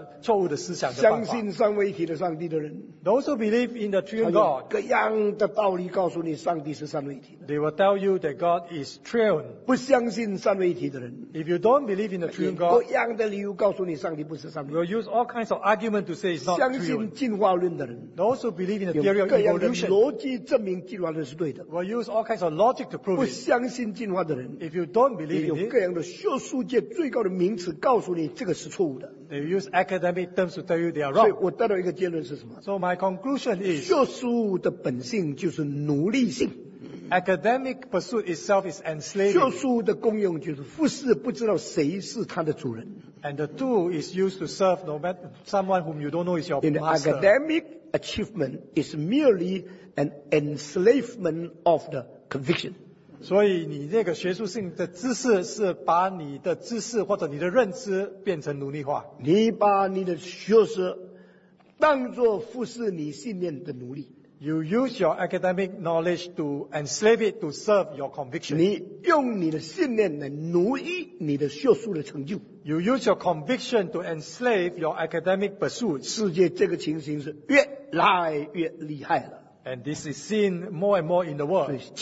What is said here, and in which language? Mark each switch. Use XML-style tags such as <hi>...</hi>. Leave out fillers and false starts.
<zh>所以你许多这个学术上的认识是一种奴隶你的错误的思想的方法。相信三位一体的上帝的人,</zh> <en>those who believe in the triune God,</en> <zh>各样的道理告诉你上帝是三位一体的,</zh> <en>they will tell you that God is triune.</en> <zh>不相信三位一体的人,</zh> <en>if you don't believe in the triune God,</en> <zh>各样的理由告诉你上帝不是三位一体,</zh> <en>will use all kinds of argument to say it's not triune.</en> <zh>相信进化论的人,</zh> <en>those who believe in the theory of evolution,</en> <zh>有各样的逻辑证明进化论是对的,</zh> <en>will use all kinds of logic to prove it.</en> <zh>不相信进化的人,</zh> <en>if you don't believe,</en> <zh>有各样的学术界最高的名词告诉你这个是错误的。</zh> <en>They use academic terms to tell you they are wrong.</en> <zh>所以我得到一个结论是什么？</zh> <en>So my conclusion is,</en> <zh>学术的本性就是奴隶性。</zh> <en>Academic pursuit itself is enslaving.</en> <zh>学术的功用就是复试不知道谁是他的主人。</zh> <en>And the tool is used to serve no matter someone whom you don't know is your master. In academic achievement is merely an enslavement of the conviction.</en> <zh>所以你这个学术性的知识是把你的知识或者你的认知变成奴隶化。你把你的学识当作服侍你信念的奴隶。</zh> <en>You use your academic knowledge to enslave it to serve your conviction.</en> <zh>你用你的信念来奴役你的学术的成就。</zh> <en>You use your conviction to enslave your academic pursuit.</en> <zh>世界这个情形是越来越厉害了。</zh> <en>And this is seen more and more in the world.</en>